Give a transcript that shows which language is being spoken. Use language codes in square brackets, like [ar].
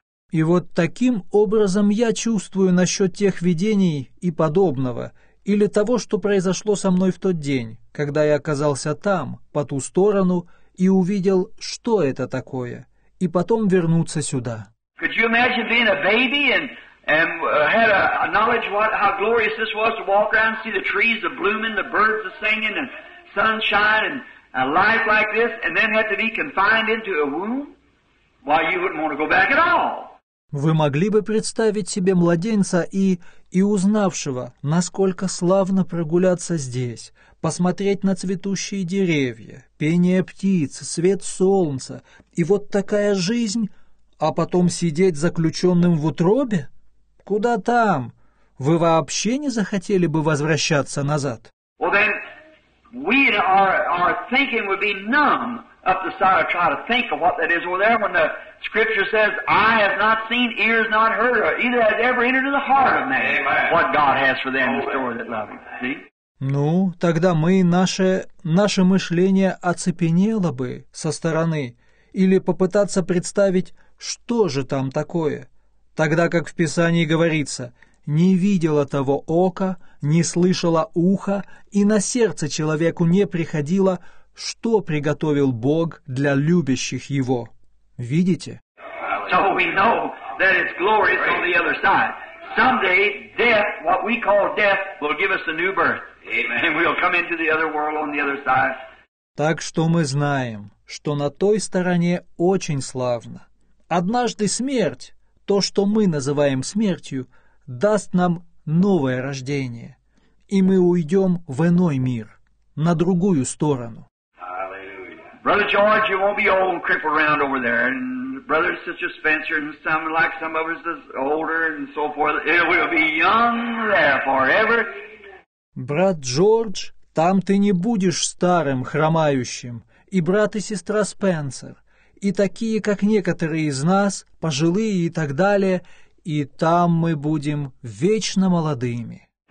[ru] И вот таким образом я чувствую насчет тех видений и подобного, или того, что произошло со мной в тот день, когда я оказался там, по ту сторону, и увидел, что это такое, и потом вернуться сюда. [en] Could you imagine being a baby and had a knowledge what how glorious this was to walk around and see the trees the blooming, the birds the singing, and sunshine and a life like this, and then had to be confined into a womb? Why, you wouldn't want to go back at all. [ru] Вы могли бы представить себе младенца и узнавшего, насколько славно прогуляться здесь, посмотреть на цветущие деревья, пение птиц, свет солнца, и вот такая жизнь, а потом сидеть заключенным в утробе? Куда там? Вы вообще не захотели бы возвращаться назад? [en] Well, then, we our thinking would be numb up the side of trying to think of what that is over there when the Scripture says, "I have not seen, ears not heard, or either has ever entered into the heart of man what God has for them in store that love Him." See? [ru] Ну, тогда мы наше мышление оцепенело бы со стороны, или попытаться представить, что же там такое, тогда как в Писании говорится: «Не видело того око, не слышало ухо, и на сердце человеку не приходило, что приготовил Бог для любящих Его». Видите? [en] So we know that it's glorious on the other side. Someday death, what we call death, will give us a new birth. Amen. And we'll come into the other world on the other side. [ru] Так что мы знаем, что на той стороне очень славно. Однажды смерть, то, что мы называем смертью, даст нам новое рождение, и мы уйдем в иной мир, на другую сторону. [en] Brother George, you won't be old and crippled around over there, and Brother and Sister Spencer, and some like some of us is older and so forth. It will be young there forever. [ru] Брат Джордж, там ты не будешь старым, хромающим, и брат и сестра Спенсер, и такие, как некоторые из нас, пожилые и так далее, и там мы будем вечно молодыми.